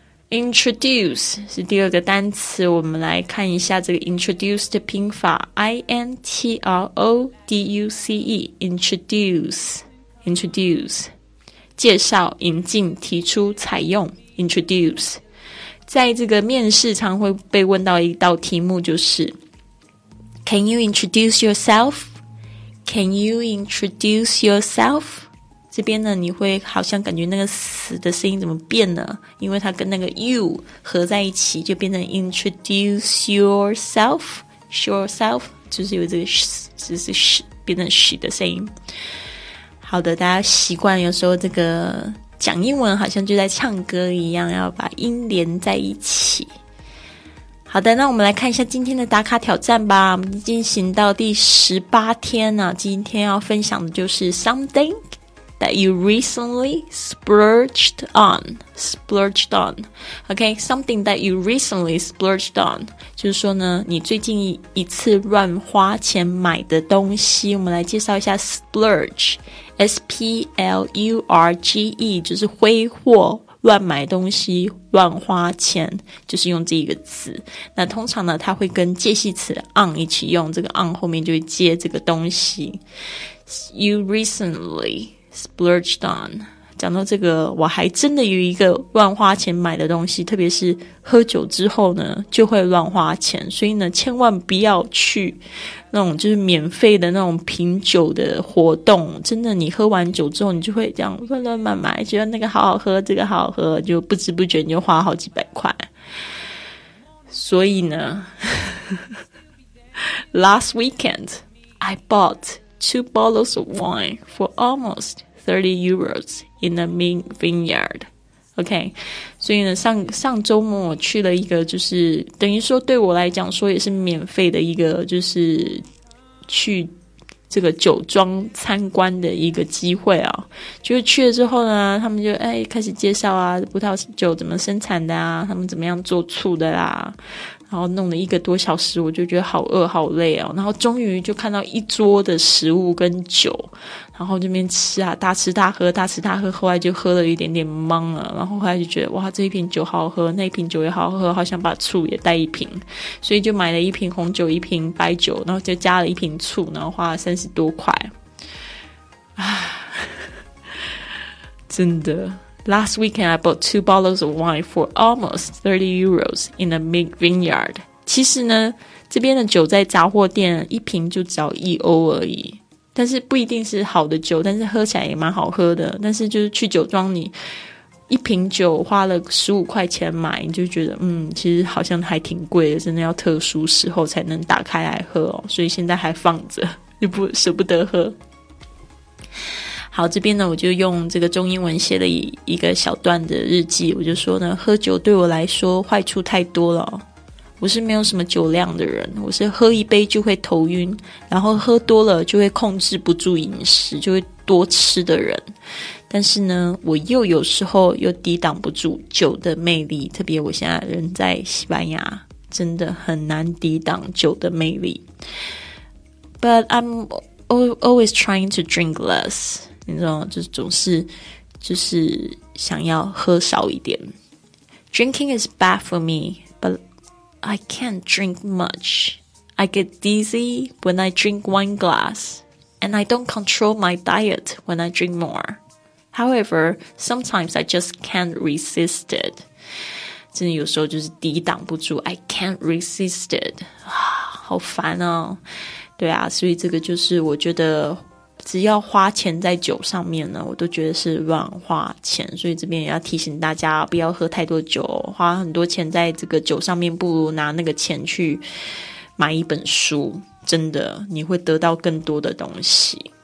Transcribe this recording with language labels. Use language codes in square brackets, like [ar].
[zh] introduce 是第二个单词，我们来看一下这个 introduce 的拼法， introduce introduce 介绍引进提出采用 introduce。在这个面试常会被问到一道题目，就是 [en] Can you introduce yourself? Can you introduce yourself? [zh] 这边呢你会好像感觉那个死的声音怎么变了，因为它跟那个 you 合在一起就变成 [en] introduce yourself yourself [zh] 就是有这个 sh, 就是 sh, 变成 sh 的声音。好的，大家习惯有时候这个讲英文好像就在唱歌一样，要把音连在一起。好的，那我们来看一下今天的打卡挑战吧。我们进行到第18天了，今天要分享的就是 [en] something that you recently splurged on. Splurged on. OK, something that you recently splurged on. [zh] 就是说呢，你最近一次乱花钱买的东西。我们来介绍一下 splurge. S-P-L-U-R-G-E 就是挥霍，乱买东西，乱花钱，就是用这个词。那通常呢它会跟介系词 on 一起用，这个 on 后面就会接这个东西。 [en] You recently splurged on， [zh] 讲到这个我还真的有一个乱花钱买的东西，特别是喝酒之后呢就会乱花钱，所以呢千万不要去那种就是免费的那种品酒的活动，真的你喝完酒之后你就会这样乱乱买买，觉得那个好好喝，这个好好喝，就不知不觉你就花好几百块。所以呢 [en] Last weekend I bought 2 bottles of wine for almost 30 euros in a mint vineyard. [zh] OK, 所以呢上周末我去了一个就是等于说对我来讲说也是免费的一个就是去这个酒庄参观的一个机会啊，就是去了之后呢他们就开始介绍啊葡萄酒怎么生产的啊，他们怎么样做醋的啦，然后弄了一个多小时，我就觉得好饿好累哦，然后终于就看到一桌的食物跟酒，然后这边吃啊大吃大喝大吃大喝，后来就喝了一点点懵了，然后后来就觉得哇这一瓶酒好喝，那一瓶酒也好喝，好想把醋也带一瓶，所以就买了一瓶红酒一瓶白酒，然后就加了一瓶醋，然后花了30多块。唉，真的。 Last weekend, I bought 2 bottles of wine for almost 30 euros in a mint vineyard. 其实呢，这边的酒在杂货店一瓶就只要1欧而已。但是不一定是好的酒，但是喝起来也蛮好喝的。但是就是去酒庄你一瓶酒花了15块钱买，你就觉得其实好像还挺贵的，真的要特殊时候才能打开来喝哦。所以现在还放着，就不舍不得喝。好，这边呢我就用这个中英文写了一个小段的日记，我就说呢喝酒对我来说坏处太多了，我是没有什么酒量的人，我是喝一杯就会头晕，然后喝多了就会控制不住饮食，就会多吃的人，但是呢我又有时候又抵挡不住酒的魅力，特别我现在人在西班牙真的很难抵挡酒的魅力。 [en] But I'm always trying to drink less. [zh] 你知道，就总是就是想要喝少一点。 [en] Drinking is bad for me, but I can't drink much. I get dizzy when I drink one glass, and I don't control my diet when I drink more. However, sometimes I just can't resist it. [zh] 真的有时候就是抵挡不住， [en] I can't resist it. [zh] 好烦哦。对啊，所以这个就是我觉得只要花钱在酒上面呢我都觉得是乱花钱，所以这边也要提醒大家不要喝太多酒，花很多钱在这个酒上面不如拿那个钱去买一本书，真的你会得到更多的东西。